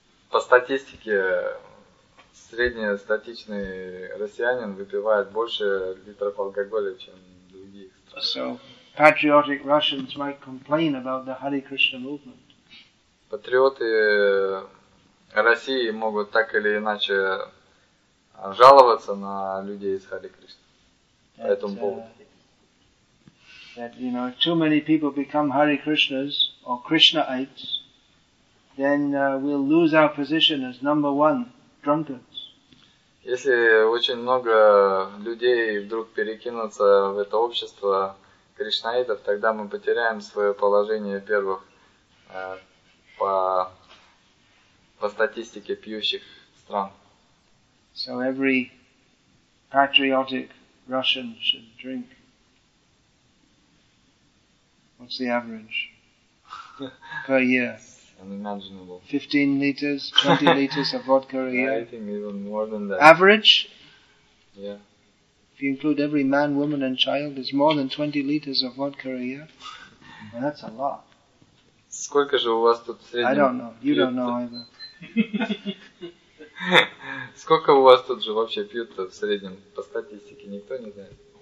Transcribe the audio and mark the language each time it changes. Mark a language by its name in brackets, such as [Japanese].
[Russian] По статистике, среднестатичный россиянин выпивает больше литров алкоголя, чем другие. [English] So, patriotic Russians might complain about the Hare Krishna movement. [Russian] Патриоты России могут так или иначе жаловаться на людей из Hare Krishna по этому поводу. [English] That, you know, too many people become Hare Krishnas or Krishnaites, then we'll lose our position as number one drunkards. [Russian] Если очень много людей вдруг перекинутся в это общество кришнаитов, тогда мы потеряем свое положение первых по статистике пьющих стран. [English] So every patriotic Russian should drink. What's the average per year? Unimaginable. 15 liters, 20 liters of vodka a year? I think even more than that. Average? Yeah. If you include every man, woman and child, it's more than 20 liters of vodka a year. Well, that's a lot. [Russian] Сколько же у вас тут в среднем? [English] I don't know. You don't know either. [Russian] Сколько у вас тут же вообще пьют-то в среднем? По статистике никто не знает.